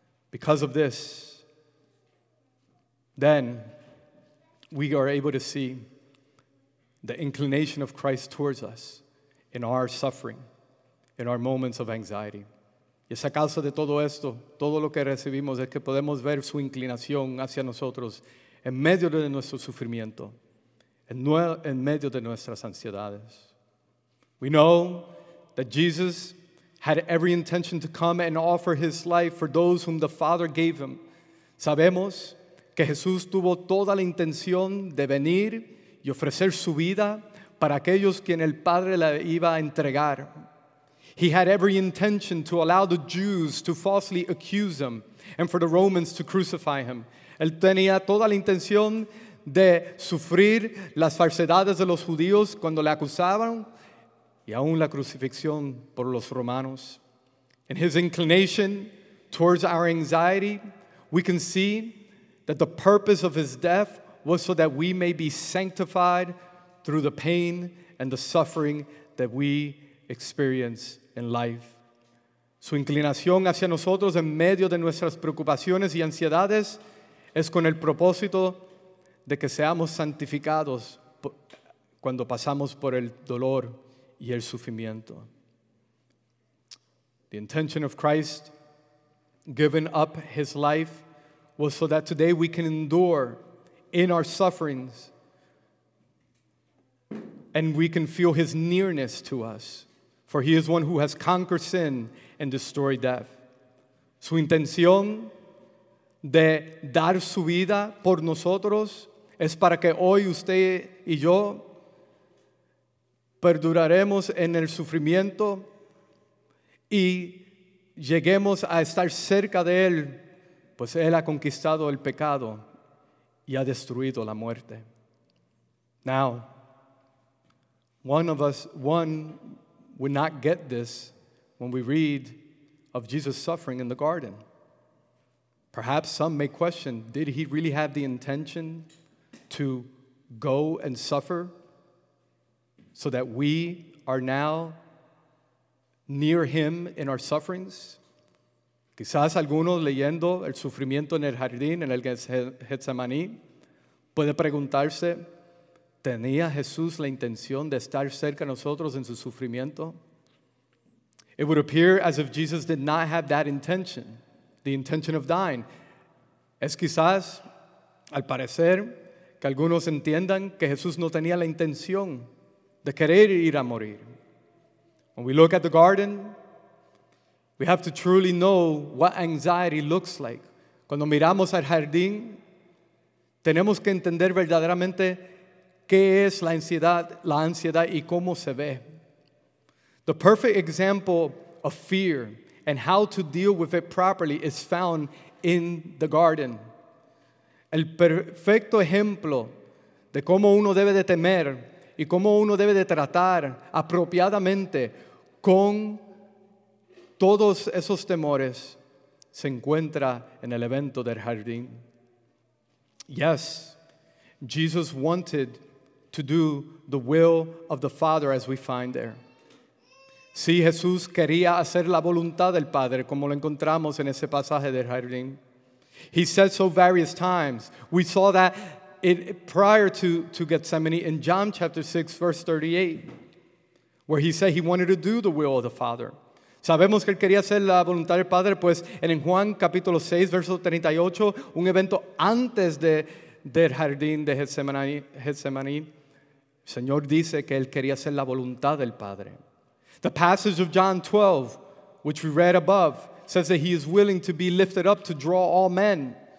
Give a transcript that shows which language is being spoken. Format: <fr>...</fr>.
<en>Because of this, then we are able to see the inclination of Christ towards us in our suffering, in our moments of anxiety.</en> <es>Y es a causa de todo esto, todo lo que recibimos es que podemos ver su inclinación hacia nosotros en medio de nuestro sufrimiento, en medio de nuestras ansiedades.</es> <en>We know that Jesus had every intention to come and offer his life for those whom the Father gave him.</en> <es>Sabemos que Jesús tuvo toda la intención de venir y ofrecer su vida para aquellos quien el Padre la iba a entregar.</es> <en>He had every intention to allow the Jews to falsely accuse him and for the Romans to crucify him.</en> <es>Él tenía toda la intención de sufrir las falsedades de los judíos cuando le acusaban y aún la crucifixión por los romanos.</es> <en>In his inclination towards our anxiety, we can see that the purpose of his death was so that we may be sanctified through the pain and the suffering that we experience in life.</en> <es>Su inclinación hacia nosotros en medio de nuestras preocupaciones y ansiedades es con el propósito de que seamos santificados cuando pasamos por el dolor y el sufrimiento.</es> <en>The intention of Christ giving up his life was so that today we can endure in our sufferings and we can feel his nearness to us. For he is one who has conquered sin and destroyed death.</en> <es>Su intención de dar su vida por nosotros es para que hoy usted y yo perduraremos en el sufrimiento y lleguemos a estar cerca de él, pues él ha conquistado el pecado y ha destruido la muerte.</es> <en>Now, one would not get this when we read of Jesus' suffering in the garden. Perhaps some may question, did he really have the intention to go and suffer so that we are now near him in our sufferings?</en> <es>Quizás algunos leyendo el sufrimiento en el jardín, en el Getsemaní, puede preguntarse, ¿tenía Jesús la intención de estar cerca de nosotros en su sufrimiento?</es> <en>It would appear as if Jesus did not have that intention, the intention of dying.</en> <es>Es quizás, al parecer, que algunos entiendan que Jesús no tenía la intención de querer ir a morir.</es> <en>When we look at the garden, we have to truly know what anxiety looks like.</en> <es>Cuando miramos al jardín, tenemos que entender verdaderamente qué es la ansiedad y cómo se ve.</es> <en>The perfect example of fear and how to deal with it properly is found in the garden.</en> <es>El perfecto ejemplo de cómo uno debe de temer y cómo uno debe de tratar apropiadamente con todos esos temores se encuentra en el evento del jardín.</es> <en>Yes, Jesus wanted to do the will of the Father as we find there.</en> <es>Sí, Jesús quería hacer la voluntad del Padre, como lo encontramos en ese pasaje del jardín.</es> <en>He said so various times. We saw that prior to Gethsemane in John chapter 6, verse 38, where he said he wanted to do the will of the Father.</en> <es>Sabemos que él quería hacer la voluntad del Padre, pues en Juan capítulo 6, verso 38, un evento antes del jardín de Getsemaní, el Señor dice que él quería hacer la voluntad del Padre.</es> <en>The passage of John 12, which we read above, says that he is willing to be lifted up to draw all men.</en>